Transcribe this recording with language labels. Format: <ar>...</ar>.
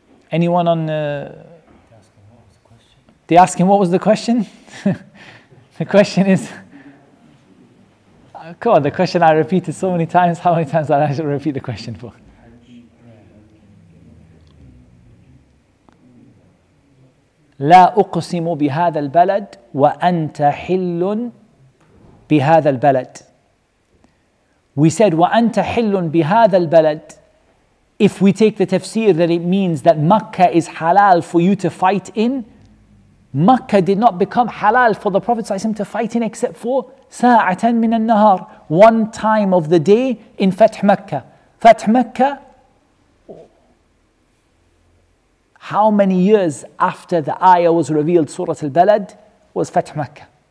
<en>Anyone on the... They ask him, what was the question? The question is... Come on, the question I repeated so many times, how many times did I have to repeat the question for?</en> <ar>لا أقسم بهذا البلد وأنت حل بهذا البلد.</ar> <en>We said</en> <ar>وأنت حل بهذا البلد.</ar> <en>If we take the tafsir that it means that Makkah is halal for you to fight in, Makkah did not become halal for the Prophet ﷺ to fight in except for</en> <ar>سَاعَةً مِنَ النَّهَارِ,</ar> <en>one time of the day in Fath Makkah. Fath Makkah, how many years after the ayah was revealed, Surah Al-Balad, was Fath Makkah?</en>